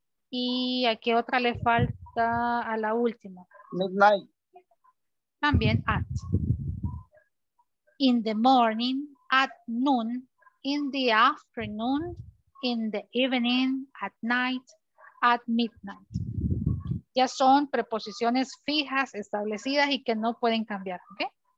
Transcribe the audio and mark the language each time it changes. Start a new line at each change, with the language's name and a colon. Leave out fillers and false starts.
Spanish: ¿Y a qué otra le falta a la última?
English: Midnight.
Spanish: También at.
English: In the morning, at noon, in the afternoon, in the evening, at night, at midnight.
Spanish: Ya son preposiciones fijas, establecidas y que no pueden cambiar, ¿ok?